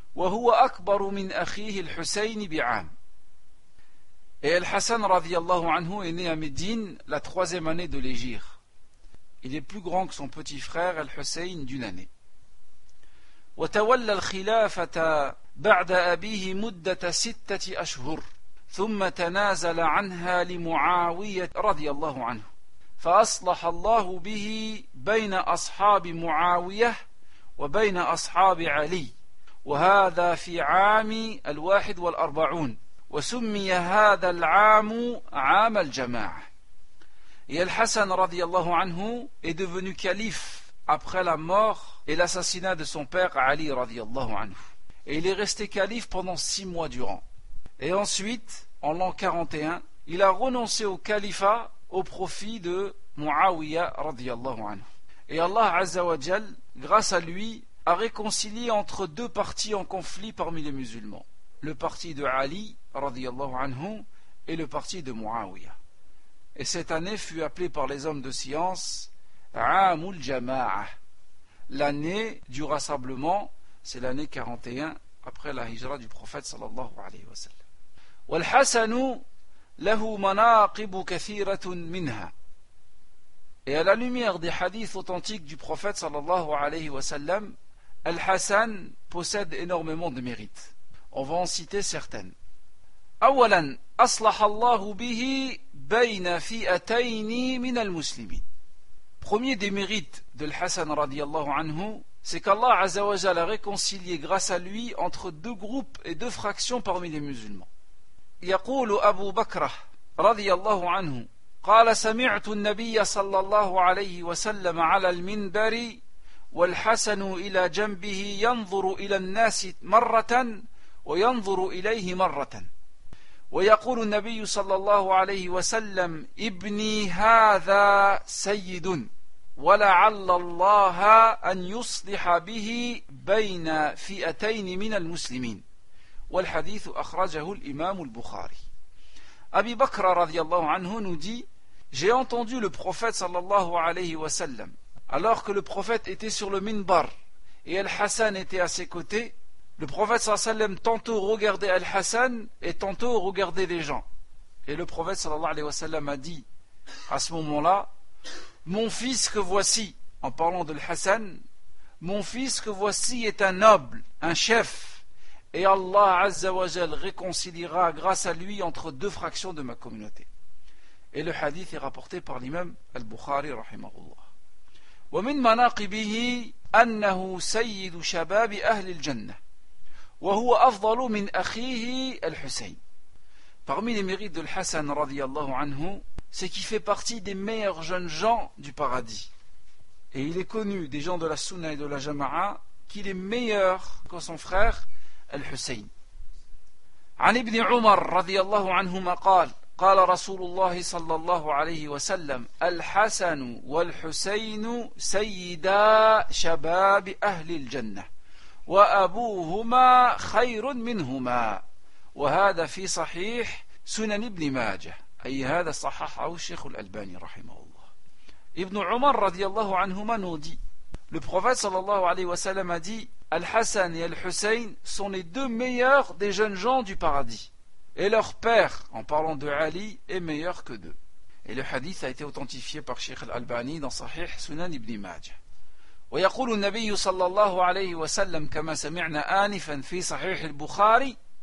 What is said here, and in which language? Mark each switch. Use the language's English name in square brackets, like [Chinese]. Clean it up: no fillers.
[Arabic] Wa huwa akbaru min akhihi al-Husayn bi'am. [French] Et Al-Hassan radiyallahu anhu est né à Médine la troisième année de l'Hégire. Il est plus grand que son petit frère Al-Hussein d'une année. [Arabic] وتولى الخلافة بعد أبيه مدة ستة أشهر ثم تنازل عنها لمعاوية رضي الله عنه فأصلح الله به بين أصحاب معاوية وبين أصحاب علي وهذا في عام 41 وسمي هذا العام عام الجماعة [French] Et Al-Hassan radiallahu anhu est devenu calife après la mort et l'assassinat de son père Ali radiallahu anhu. Et il est resté calife pendant 6 mois durant. Et ensuite, en l'an 41, il a renoncé au califat au profit de Muawiyah radiallahu anhu. Et Allah Azza wa Jal, grâce à lui, a réconcilié entre deux parties en conflit parmi les musulmans. Le parti de Ali radiallahu anhu et le parti de Muawiyah. Et cette année fut appelée par les hommes de science « Amul Jama'ah ». L'année du rassemblement, c'est l'année 41 après la hijra du prophète sallallahu alayhi wa sallam. « [Arabic] Wal-Hassanu lahu manaqibu kathiratun minha [French] » Et à la lumière des hadiths authentiques du prophète sallallahu alayhi wa sallam, « Al-Hassan possède énormément de mérites. » On va en citer certaines. [Arabic] أولا أصلح الله به بين فئتين من المسلمين. [French] Premier des mérites de Al-Hassan رضي الله عنه, c'est qu'Allah عز وجل a réconcilié grâce à lui entre deux groupes et deux fractions parmi les musulmans. [Arabic] يقول أبو بكر رضي الله عنه قال سمعت النبي صلى الله عليه وسلم على المنبر والحسن إلى جنبه ينظر إلى الناس مرة وينظر إليه مرة. ويقول النبي صلى الله عليه وسلم ابني هذا سيد ولعل الله أن يصلح به بين فئتين من المسلمين والحديث أخرجه الإمام البخاري أبي بكر رضي الله عنه [French] nous dit j'ai entendu le prophète صلى الله عليه وسلم alors que le prophète était sur le minbar et Al-Hassan était à ses côtés. Le prophète sallallahu alayhi wa sallam tantôt regardait Al-Hassan et tantôt regardait les gens. Et le prophète sallallahu alayhi wa sallam a dit à ce moment-là, mon fils que voici, en parlant de Al-Hassan, mon fils que voici est un noble, un chef, et Allah azza wa jal réconciliera grâce à lui entre deux fractions de ma communauté. Et le hadith est rapporté par l'imam Al-Bukhari rahimahullah. [Arabic] Wa min manaqibihi annahu sayyidu shababi ahli al-jannah. وهو أفضل من أخيه الحسين. [French] Parmi les mérites de Al-Hassan رضي الله عنه, c'est qu'il fait partie des meilleurs jeunes gens du paradis. Et il est connu des gens de la Sunna et de la Jama'a qu'il est meilleur que son frère الحسين. [Arabic] عن ابن عمر رضي الله عنهما قال قال رسول الله صلى الله عليه وسلم الحسن والحسين سيدا شباب أهل الجنة. وأبوهما خير منهما وهذا في صحيح سنن ابن ماجه أي هذا صححه الشيخ الألباني رحمه الله ابن عمر رضي الله عنهما [French] nous dit le prophète sallallahu alayhi wa sallam a dit Al-Hassan et Al-Hussein sont les deux meilleurs des jeunes gens du paradis et leur père en parlant de Ali est meilleur que d'eux et le hadith a été authentifié par Cheikh Al-Albani dans صحيح سنن ابن ماجه [Arabic] ويقول النبي صلى الله عليه وسلم كما سمعنا آنفا في صحيح البخاري